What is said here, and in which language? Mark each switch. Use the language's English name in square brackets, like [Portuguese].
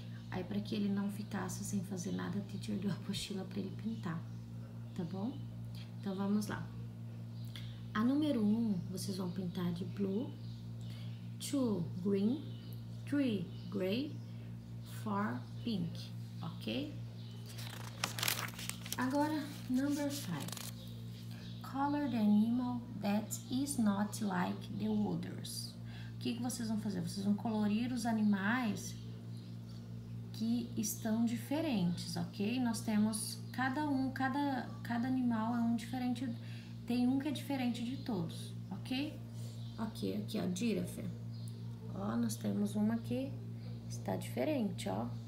[Portuguese] Aí, para que ele não ficasse sem fazer nada, a teacher deu a apostila para ele pintar, tá bom? Então, vamos lá. A número 1, vocês vão pintar de blue, 2, green, 3, gray, 4, pink, ok? [English] Agora, number 5. Color the animal that is not like the others. [Portuguese] O que vocês vão fazer? Vocês vão colorir os animais que estão diferentes, ok? Nós temos cada animal é um diferente, tem um que é diferente de todos, ok? Aqui, ó, giraffe. Ó, nós temos uma que está diferente, ó.